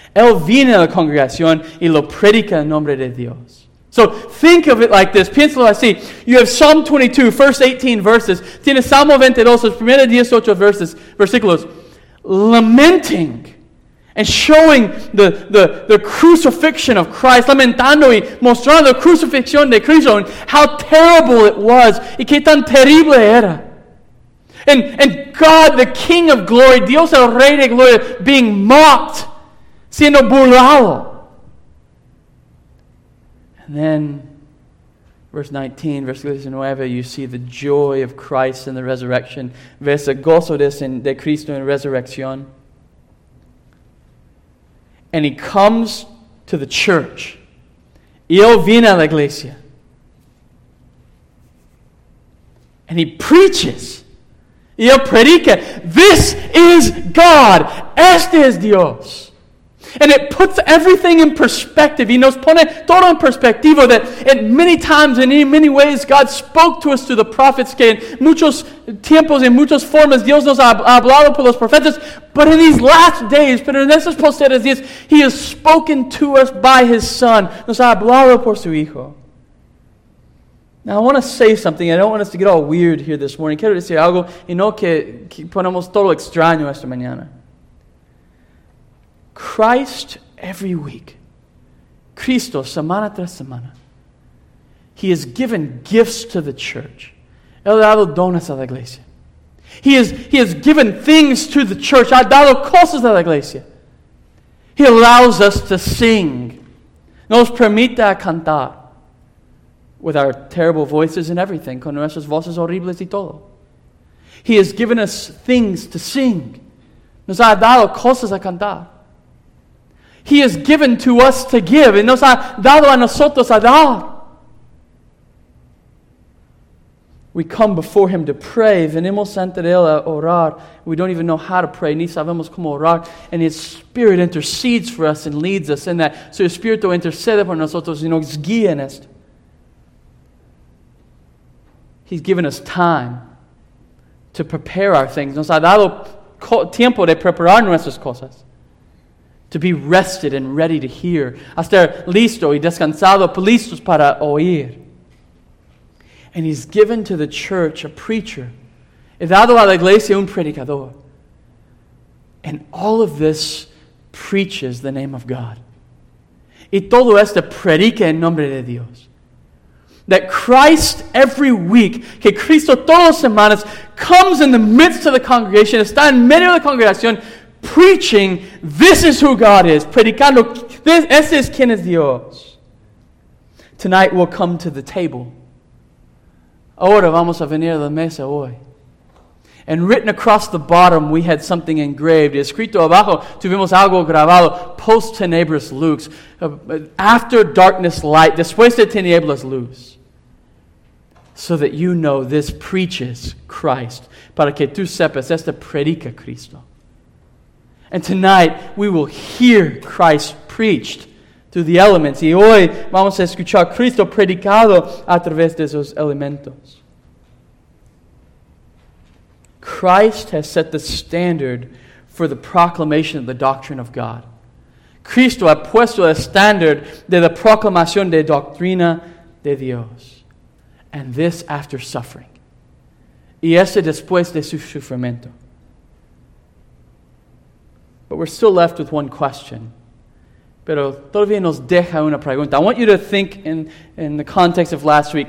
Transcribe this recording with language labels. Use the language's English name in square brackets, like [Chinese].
[Spanish] Él viene a la congregación y lo predica en nombre de Dios. [English] So think of it like this. [Spanish] Piénsalo así. [English] You have Psalm 22, first 18 verses. [Spanish] Tiene Salmo 22, los primeros 18 verses, versículos, [English] lamenting and showing the crucifixion of Christ, [Spanish] lamentando y mostrando la crucifixión de Cristo, [English] and how terrible it was, [Spanish] y qué tan terrible era. [English] And God, the King of Glory, [Spanish] Dios el Rey de Gloria, [English] being mocked, [Spanish] siendo burlado. [English] And then, verse 19, verse 19, you see the joy of Christ in the resurrection. [Spanish] Ves el gozo de Cristo en resurrección. [English] And He comes to the church. [Spanish] Él viene a la iglesia. [English] And He preaches. [Spanish] Él predica. [English] This is God. [Spanish] Este es Dios. [English] And it puts everything in perspective. [Spanish] Y nos pone todo en perspectivo [English] that in many times and in many ways God spoke to us through the prophets. [Spanish] Que en muchos tiempos y muchas formas Dios nos ha hablado por los profetas. [English] But in these last days, [Spanish] pero en estos posteriores días, [English] He has spoken to us by His Son. [Spanish] Nos ha hablado por su Hijo. [English] Now I want to say something. I don't want us to get all weird here this morning. [Spanish] Quiero decir algo y no que ponemos todo extraño esta mañana. [English] Christ, every week, [Spanish] Cristo, semana tras semana, [English] He has given gifts to the church. [Spanish] Él ha dado dones a la iglesia. [English] He has given things to the church. [Spanish] Ha dado cosas a la iglesia. [English] He allows us to sing. [Spanish] Nos permite cantar [English] with our terrible voices and everything, [Spanish] con nuestras voces horribles y todo. [English] He has given us things to sing. [Spanish] Nos ha dado cosas a cantar. [English] He has given to us to give. [Spanish] Y nos ha dado a nosotros a dar. [English] We come before Him to pray. [Spanish] Venimos ante Él a orar. [English] We don't even know how to pray. [Spanish] Ni sabemos cómo orar. [English] And His Spirit intercedes for us and leads us in that. [Spanish] Su Espíritu intercede por nosotros y nos guía en esto. [English] He's given us time to prepare our things. [Spanish] Nos ha dado tiempo de preparar nuestras cosas. [English] To be rested and ready to hear. [Spanish] A estar listo y descansado, listos para oír. [English] And He's given to the church a preacher. [Spanish] He dado a la iglesia un predicador. [English] And all of this preaches the name of God. [Spanish] Y todo esto predica en nombre de Dios. [English] that Christ every week, [Spanish] que Cristo todas las semanas, [English] comes in the midst of the congregation, [Spanish] está en medio de la congregación, [English] preaching, this is who God is, [Spanish] predicando, este es quien es Dios. [English] Tonight we'll come to the table. [Spanish] Ahora vamos a venir a la mesa hoy. [English] And written across the bottom, we had something engraved. [Spanish] Escrito abajo, tuvimos algo grabado. [Latin] Post tenebris lux. [English] After darkness, light. [Spanish] Después de tinieblas, luz. [English] So that you know this preaches Christ. [Spanish] Para que tú sepas, esta predica Cristo. [English] And tonight, we will hear Christ preached through the elements. [Spanish] Y hoy vamos a escuchar Cristo predicado a través de esos elementos. [English] Christ has set the standard for the proclamation of the doctrine of God. [Spanish] Cristo ha puesto el standard de la proclamación de doctrina de Dios. [English] And this after suffering. [Spanish] Y este después de su sufrimiento. [English] But we're still left with one question. [Spanish] Pero todavía nos deja una pregunta. [English] I want you to think in the context of last week.